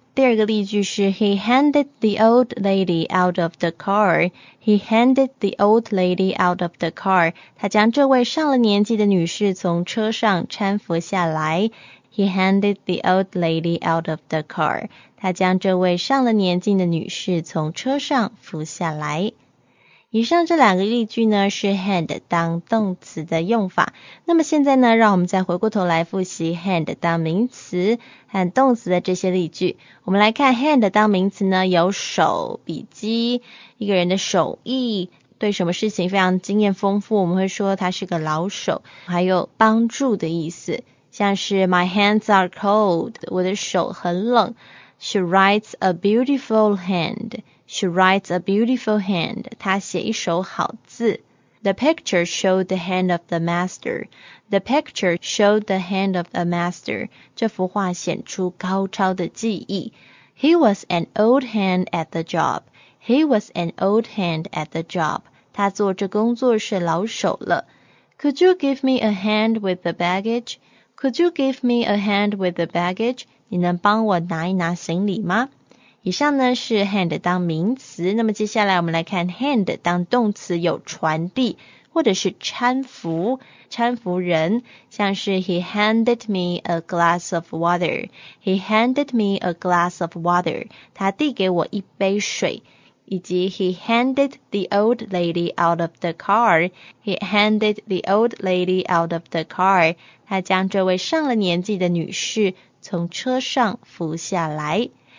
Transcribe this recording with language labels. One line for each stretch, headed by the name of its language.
Chinese: 第二个例句是
English: He handed the old lady out of the car. He handed the old lady out of the car.
Chinese: 他将这位上了年纪的女士从车上搀扶下来。
English: He handed the old lady out of the car.
Chinese: 他将这位上了年纪的女士从车上扶下来。以上这两个例句呢是 hand 当动词的用法。那么现在呢，让我们再回过头来复习 hand 当名词和动词的这些例句。我们来看 hand 当名词呢，有手、笔记、一个人的手艺，对什么事情非常经验丰富，我们会说他是个老手，还有帮助的意思，像是
English: My hands are cold，
Chinese: 我的手很冷。
English: She writes a beautiful handShe writes a beautiful hand.
Chinese: 她写一手好字。
English: The picture showed the hand of the master. The picture showed the hand of the master.
Chinese: 这幅画显出高超的技艺。
English: He was an old hand at the job. He was an old hand at the job.
Chinese: 他做这工作是老手了。
English: Could you give me a hand with the baggage? Could you give me a hand with the baggage?
Chinese: 你能帮我拿一拿行李吗？以上呢是 hand 当名词，那么接下来我们来看 hand 当动词有传递或者是搀扶，搀扶人，像是
English: he handed me a glass of water，
Chinese: he handed me a glass of water， 他递给我一杯水，以及
English: he handed the old lady out of the car，
Chinese: he handed the old lady out of the car， 他将这位上了年纪的女士从车上扶下来。